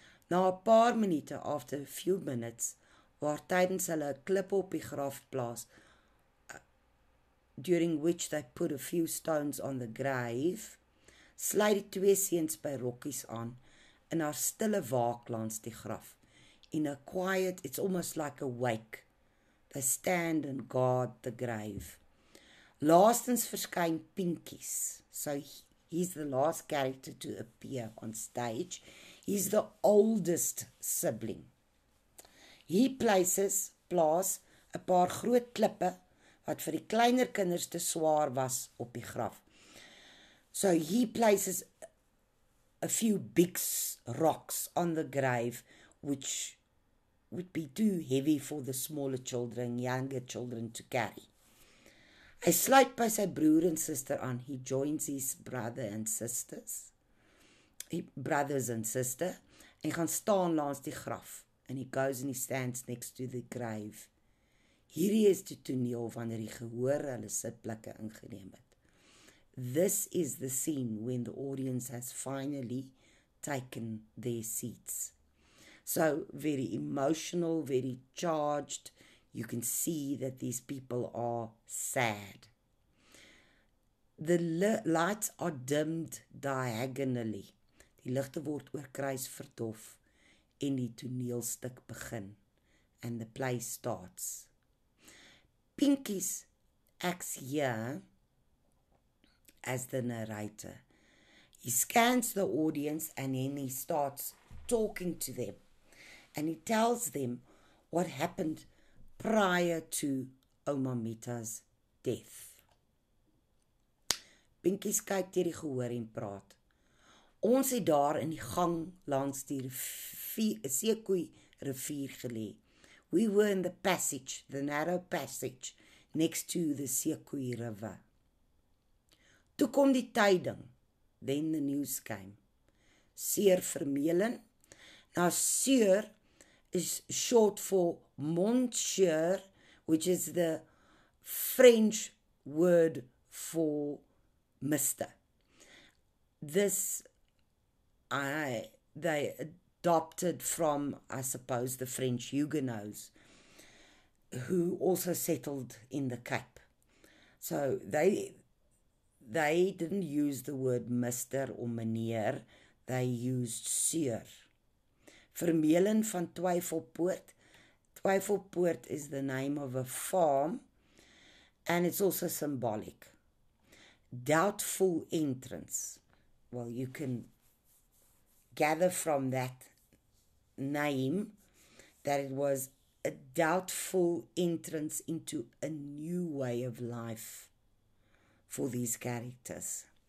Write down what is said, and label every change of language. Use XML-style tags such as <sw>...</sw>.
<af>Na 'n paar minute,</af> <en>after a few minutes,</en> <af>waar tydens hulle 'n klip op die graf plaas,</af> <en>during which they put a few stones on the grave,</en> <af>sluit die twee seuns by rokkies aan, in haar stille waak langs die graf.</af> <en>In a quiet, it's almost like a wake. They stand and guard the grave.</en> <af>Laastens verskyn Pinkies.</af> <en>So he's the last character to appear on stage. He's the oldest sibling.</en> <af>He plaas a paar groot klippe wat vir die kleiner kinders te swaar was op die graf.</af> <en>So he places a few big rocks on the grave which would be too heavy for the smaller children, younger children to carry.</en> <af>Hy sluit by sy broer en sister aan.</af> <en>He joins his brother and sisters. Brothers and sister.</en> <af>En gaan staan langs die graf.</af> <en>And he goes and he stands next to the grave.</en> <af>Hierdie is die toneel wanneer die gehoor hulle sitplekke ingeneem het.</af> <en>This is the scene when the audience has finally taken their seats. So very emotional, very charged. You can see that these people are sad. The lights are dimmed diagonally.</en> <af>Die ligte word oorkruis verdof en die toneelstuk begin.</af> <en>And the play starts. Pinkies acts here as the narrator. He scans the audience and then he starts talking to them. And he tells them what happened prior to Oma Mita's death.</en> <af>Pinkies kyk deur die gehoor en praat. Ons het daar in die gang langs die Sekoe rivier gelê.</af> <en>We were in the passage, the narrow passage, next to the Sekoe river.</en> <af>Toe kom die tyding,</af> <en>then the news came. Seer Vermeulen,</en> <af>nou seer</af> <en>is short for Monsieur, which is the French word for Mr. This, they adopted from, I suppose, the French Huguenots, who also settled in the Cape. So they didn't use the word Mr. or Meneer, they used Sieur.</en> <af>Vermeulen van Twyfelpoort.</af> <en>Twyfelpoort is the name of a farm and it's also symbolic. Doubtful entrance. Well, you can gather from that name that it was a doubtful entrance into a new way of life for these characters.</en>